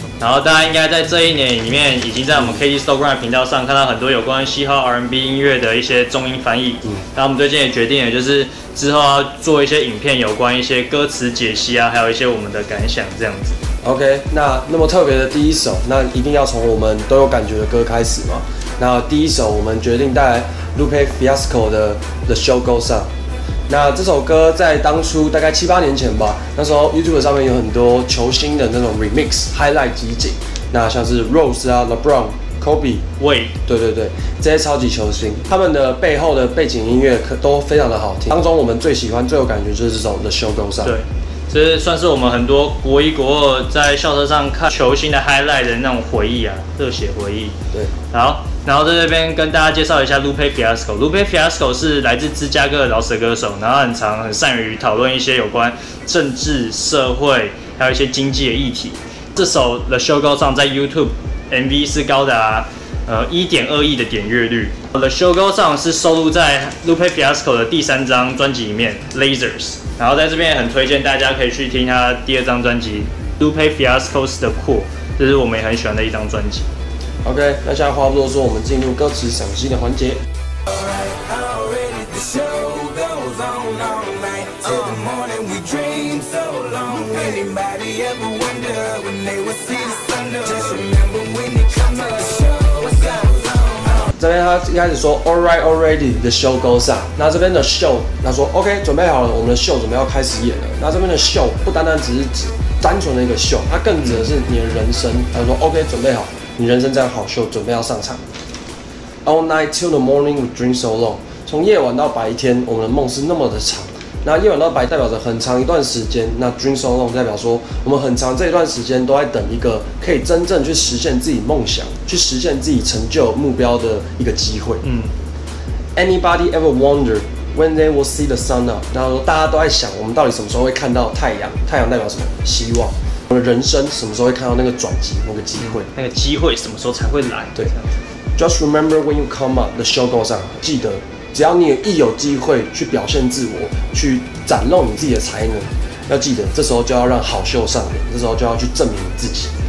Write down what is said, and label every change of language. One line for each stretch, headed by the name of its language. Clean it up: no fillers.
Chinese: 然后大家应该在这一年里面，已经在我们 KG Snowground 频道上看到很多有关嘻哈 R&B 音乐的一些中英翻译。嗯，那我们最近也决定了，就是之后要做一些影片，有关一些歌词解析啊，还有一些我们的感想这样子。 OK， 那么特别的第一首，那一定要从我们都有感觉的歌开始嘛。那第一首我们决定带来 Lupe Fiasco 的《The Show Goes On》。那这首歌在当初大概七八年前吧，那时候 YouTube 上面有很多球星的那种 remix highlight 集锦，那像是 Rose 啊、LeBron、Kobe、 Wade，对对对，这些超级球星，他们的背后的背景音乐都非常的好听。当中我们最喜欢、最有感觉就是这首《The Show Goes On》。对，这算是我们很多国一、国二在校车上看球星的 highlight 的那种回忆啊，热血回忆。对，好。然后在这边跟大家介绍一下 Lupe Fiasco。Lupe Fiasco 是来自芝加哥的饶舌歌手，然后很常很善于讨论一些有关政治、社会，还有一些经济的议题。这首 The Show Goes On 在 YouTube MV 是高达1.2亿的点阅率。 The Show Goes On 是收录在 Lupe Fiasco 的第三张专辑里面 Lasers。然后在这边也很推荐大家可以去听他第二张专辑 Lupe Fiasco's The Cool， 这是我们也很喜欢的一张专辑。 OK， 那现在话不多说，我们进入歌词赏析的环节。这边他一开始说 ，
English: All right, already, the show goes on。
Chinese: 那这边的 show， 他说 ，OK， 准备好了，我们的 show 准备要开始演了。那这边的 show 不单单只是指单纯的一个 show， 它更指的是你的人生。他说 ，OK， 准备好。你人生这样好秀，准备要上场。
English: All night till the morning, we dream so long。
Chinese: 从夜晚到白天，我们的梦是那么的长。那夜晚到白代表着很长一段时间，那
English: dream so long
Chinese: 代表说我们很长这一段时间都在等一个可以真正去实现自己梦想、去实现自己成就目标的一个机会。嗯。
English: Anybody ever wonder when they will see the sun up？
Chinese: 然后大家都在想，我们到底什么时候会看到太阳？太阳代表什么？希望。我们人生什么时候会看到那个转机、那个机会？那个机会什么时候才会来？对
English: ，Just remember when you come up, the show goes on。
Chinese: 记得，只要你一有机会去表现自我，去展露你自己的才能，要记得，这时候就要让好秀上演，这时候就要去证明你自己。